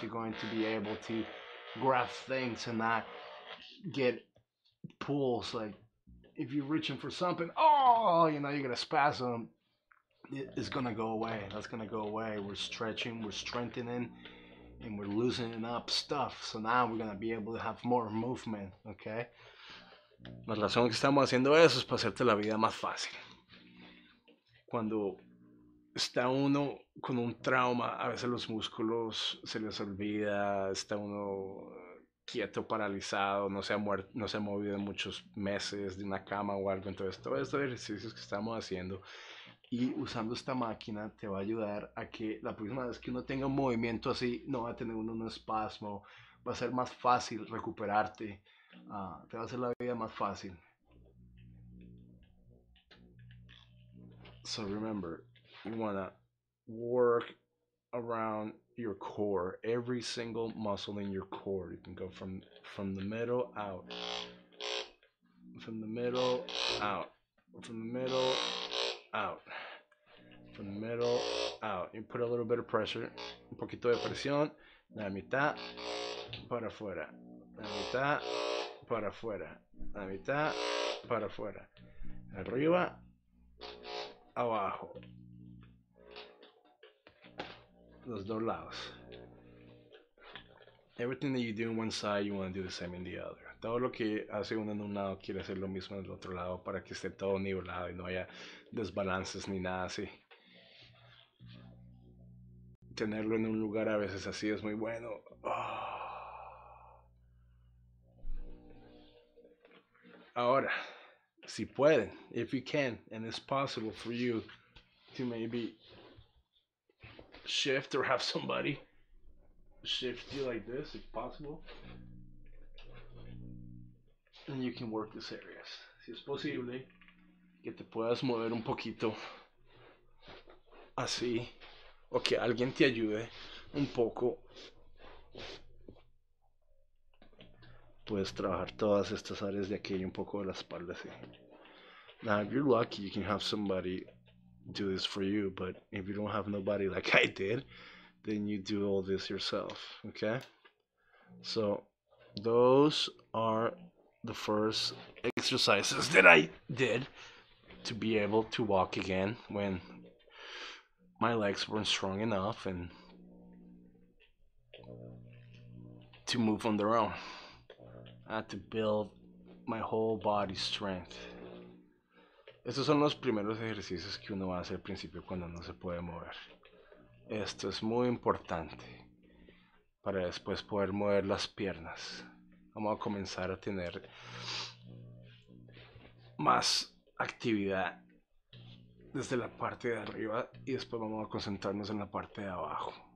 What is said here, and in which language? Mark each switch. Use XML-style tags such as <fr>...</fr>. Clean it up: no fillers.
<en>You're going to be able to grab things and not get pulls. Like if you're reaching for something, oh, you know, you're gonna spasm. It's gonna go away. That's gonna go away. We're stretching, we're strengthening, and we're loosening up stuff. So now we're gonna be able to have more movement, okay?</en> <es>La razón que estamos haciendo eso es para hacerte la vida más fácil. Cuando está uno con un trauma, a veces los músculos se les olvida, está uno quieto, paralizado, no se ha movido en muchos meses de una cama o algo. Entonces, todos estos ejercicios que estamos haciendo y usando esta máquina te va a ayudar a que la próxima vez que uno tenga un movimiento así, no va a tener uno un espasmo, va a ser más fácil recuperarte, te va a hacer la vida más fácil.</es> <en>So remember, you wanna work around your core, every single muscle in your core. You can go from the middle out, from the middle out, from the middle out, from the middle out.</en> <es>You put a little bit of pressure, un poquito de presión, la mitad para afuera, la mitad para afuera, la mitad para afuera, arriba, abajo, los dos lados.</es> <en>Everything that you do in one side, you want to do the same in the other.</en> <es>Todo lo que hace uno en un lado quiere hacer lo mismo en el otro lado para que esté todo nivelado y no haya desbalances ni nada así. Tenerlo en un lugar a veces así es muy bueno. Oh.</es> <en>Ahora, si pueden, if you can, and it's possible for you to maybe shift or have somebody shift you like this, if possible, and you can work these areas.</en> <es>Si es posible, que te puedas mover un poquito así, o que alguien te ayude un poco, puedes trabajar todas estas áreas de aquí y un poco de la espalda así.</es> <en>Now, if you're lucky, you can have somebody do this for you, but if you don't have nobody like I did, then you do all this yourself, okay? So, those are the first exercises that I did to be able to walk again when my legs weren't strong enough and to move on their own. I had to build my whole body strength.</en> <es>Estos son los primeros ejercicios que uno hace al principio cuando no se puede mover. Esto es muy importante para después poder mover las piernas. Vamos a comenzar a tener más actividad desde la parte de arriba y después vamos a concentrarnos en la parte de abajo.</es>